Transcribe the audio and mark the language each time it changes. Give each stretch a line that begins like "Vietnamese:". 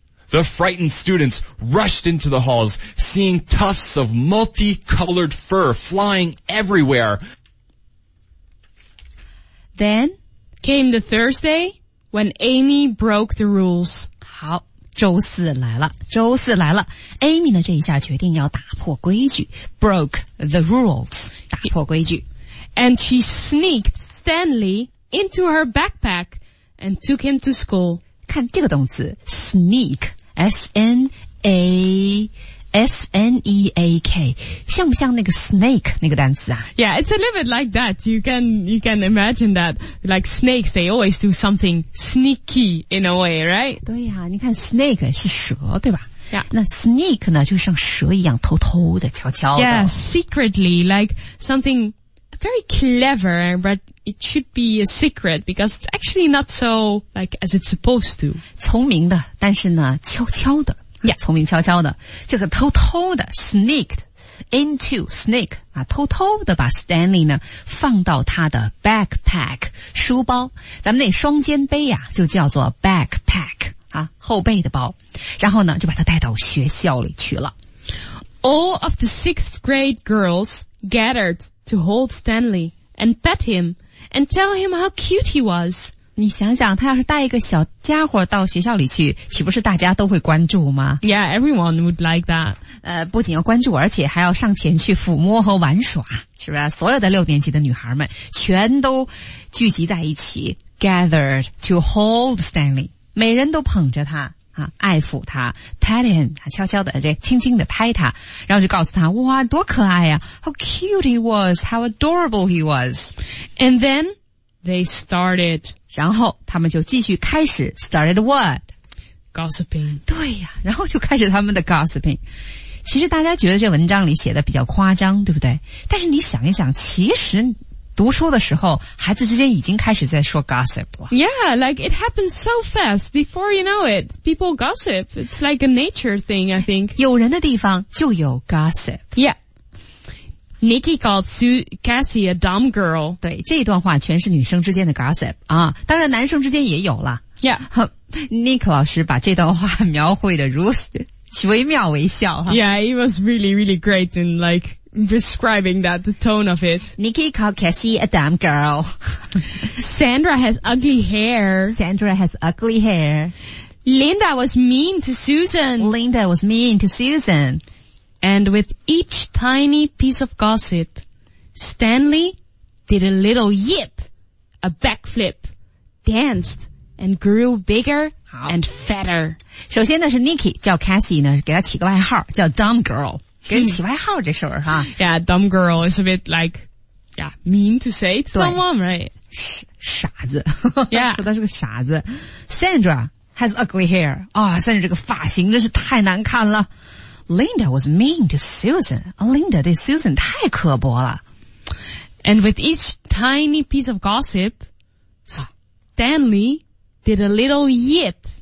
English: The frightened students rushed into the halls, seeing tufts of multicolored fur flying everywhere. Then came the Thursday when Amy broke the rules.
Chinese: 好，周四来了，周四来了。 Amy 呢，这一下决定要打破规矩 ，
English: broke the rules，
Chinese: 打破规矩。
English: And she sneaked Stanley into her backpack and took him to school.
Chinese: 看这个动词 ，sneak。S-N-E-A-K 像不像那个 snake 那个单词啊
English: Yeah, it's a little bit like that. You can imagine that. Like snakes, they always do something sneaky in a way, right?
Chinese: 对啊你看 snake 是蛇对吧
English: Yeah.
Chinese: 那 sneak 呢就像蛇一样偷偷的悄悄的
English: Yeah, secretly, like something very clever, but it should be a secret because it's actually not so like as it's supposed to.
Chinese: 聪明的但是呢悄悄的
English: Yeah.
Chinese: 聪明悄悄的这个偷偷的
English: sneaked into sneak
Chinese: 啊，偷偷的把 Stanley 呢放到他的 backpack 书包咱们那双肩背啊就叫做 backpack 啊，后背的包然后呢就把他带到学校里去了
English: All of the 6th grade girls gathered to hold Stanley and pet him and tell him how cute he was
Chinese: 你想想他要是带一个小家伙到学校里去岂不是大家都会关注吗
English: Yeah, everyone would like that.
Chinese: 不仅要关注而且还要上前去抚摸和玩耍是不是所有的六年级的女孩们全都聚集在一起
English: gathered to hold Stanley.
Chinese: 每人都捧着他啊爱抚他
English: pat him,
Chinese: 悄悄的这轻轻的拍他然后就告诉他哇多可爱啊
English: how cute he was, how adorable he was. And then, they started...
Chinese: 然后他们就继续开始
English: started what? Gossiping.
Chinese: 对呀、啊、然后就开始他们的 gossiping. 其实大家觉得这文章里写的比较夸张对不对但是你想一想其实读书的时候孩子之间已经开始在说 gossip 了。
English: Yeah, like it happens so fast before you know it. People gossip. It's like a nature thing, I think.
Chinese: 有人的地方就有 gossip.
English: Yeah. Nikki called Cassie a dumb girl.
Chinese: 对这段话全是女生之间的 gossip 啊，当然男生之间也有了。
English: Yeah,
Chinese: Nikki 老师把这段话描绘得如此惟妙惟肖。
English: Yeah, it was really, really great in like describing that the tone of it. Nikki called Cassie a dumb girl. Sandra has ugly hair. Sandra has ugly hair. Linda was mean to Susan. Linda was mean to Susan. And with each tiny piece of gossip, Stanley did a little yip, a backflip, danced, and grew bigger and fatter.
Chinese: 首先呢是 Nikki, 叫 Cassie 呢给她起个外号叫 Dumb Girl. 给你起外号这事儿哈。
English: Yeah, Dumb Girl is a bit like, yeah, mean to say to someone, right?
Chinese: 傻子。
English: Yeah.
Chinese: 说她是个傻子。
English: Sandra has ugly hair.
Chinese: 啊、oh, Sandra 这个发型真是太难看了。
English: Linda was mean to Susan.
Chinese: Linda 对 Susan 太刻薄了。
English: And with each tiny piece of gossip, Stanley did a little yip.